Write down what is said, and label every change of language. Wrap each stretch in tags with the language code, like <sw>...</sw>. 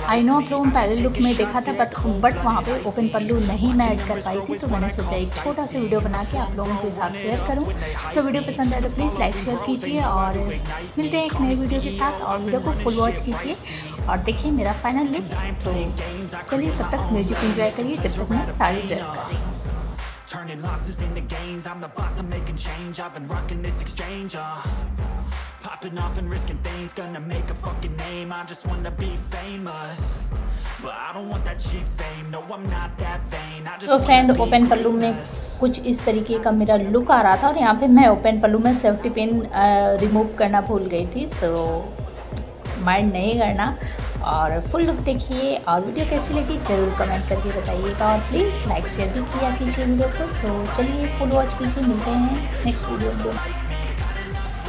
<hi>I know आप लोगों ने पहले लुक में देखा था, बट वहाँ पे ओपन पल्लू नहीं मैं ऐड कर पाई थी, तो मैंने सोचा एक छोटा सा वीडियो बना के आप लोगों के साथ शेयर करूँ। सो वीडियो पसंद आए तो प्लीज़ लाइक शेयर कीजिए, और मिलते हैं एक नए वीडियो के साथ। और वीडियो को फुल वॉच कीजिए और देखिए मेरा फाइनल लुक। सो चलिए, तब तक म्यूजिक इंजॉय करिए जब तक मैं साड़ी ड्रेस कर रही हूँ।</hi> <en>Turning losses into gains, I'm the boss, I'm making change, I've been rocking this exchange, popping off and risking things, gonna make a fucking name, I just wanna be famous, but I don't want that cheap fame, no I'm not that vain, I just so friend, open pallu mein</en> <hi>कुछ इस तरीके का मेरा look आ रहा था, और यहाँ पे मैं ओपन पल्लू में सेफ्टी पिन रिमूव करना भूल गई थी, सो माइंड नहीं करना। और फुल लुक देखिए, और वीडियो कैसी लगी जरूर कमेंट करके बताइएगा, और प्लीज़ लाइक शेयर भी किया कीजिए वीडियो को। सो चलिए फुल वॉच कीजिए, मिलते हैं नेक्स्ट वीडियो में।</hi>